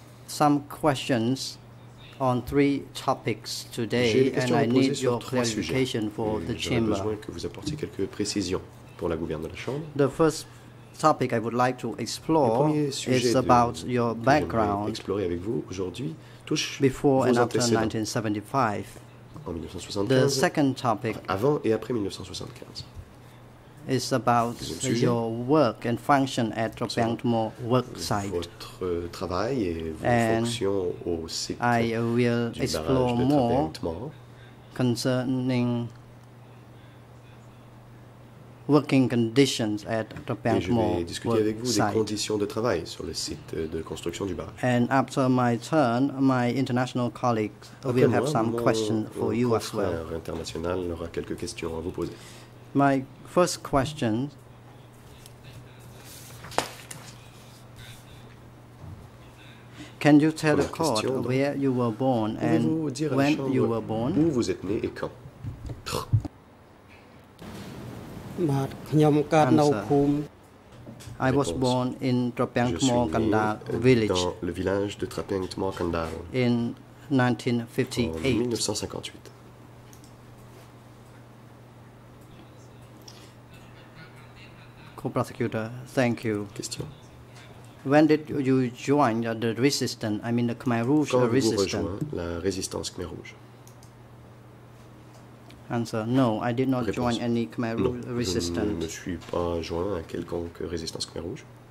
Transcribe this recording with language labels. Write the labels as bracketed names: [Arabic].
[English] some questions on three topics today, and I need your clarification for the chamber. [French] J'aurais besoin que vous apportiez quelques précisions pour la gouverne de la chambre. [English] The first topic I would like to explore is about your background. [French] Explorer avec vous aujourd'hui touche [English] before and after 1975. [French] En 1975, [English] the second topic [French] avant et après 1975 [English] is about your work and function at the Bangtmore work site. [French] Votre travail et vos fonctions au site. [English] I will explore more concerning working conditions at the Bangtmore work site. [French] Et je vais discuter avec vous des conditions de travail sur le site de construction du barrage. [English] And after my turn, my international colleagues will have some questions for you as well. [French] Mon confrère international aura quelques questions à vous poser. [English] My first question can you tell the court where you were born and when you were born? [French] Où vous êtes né et quand? [English] Answer. I was born in Trapengtmor Kandal village. [French] Dans le village de Trapengtmor Kandal. [English] In 1958. Co-prosecutor, thank you. Question. When did you join the resistance? I mean the Khmer Rouge [French] Quand [English] resistance. [French] Quand vous rejoint la résistance Khmer Rouge? [English] Answer, no, I did not join any Khmer Rouge resistance. [French] Je ne me suis pas joint à quelconque résistance Khmer Rouge.